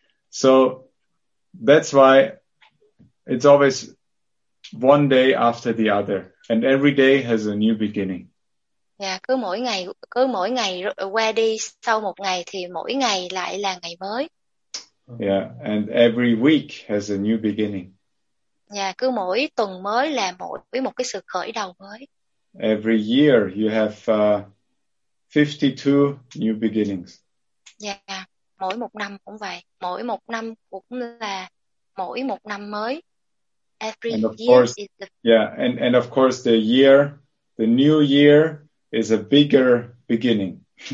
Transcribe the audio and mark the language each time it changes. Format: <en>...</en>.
<en>So that's why it's always one day after the other, and every day has a new beginning.</en> <vi>Yeah, cứ mỗi ngày qua đi, sau một ngày thì mỗi ngày lại là ngày mới.</vi> <en>Yeah, and every week has a new beginning.</en> <vi>Yeah, cứ mỗi tuần mới là mỗi một cái sự khởi đầu mới.</vi> <en>Every year you have 52 new beginnings.</en> <vi>Yeah, mỗi một năm cũng vậy. Mỗi một năm cũng là mỗi một năm mới.</vi> <en>Every and of year course, is the... Yeah, and of course the year, the new year is a bigger beginning.</en>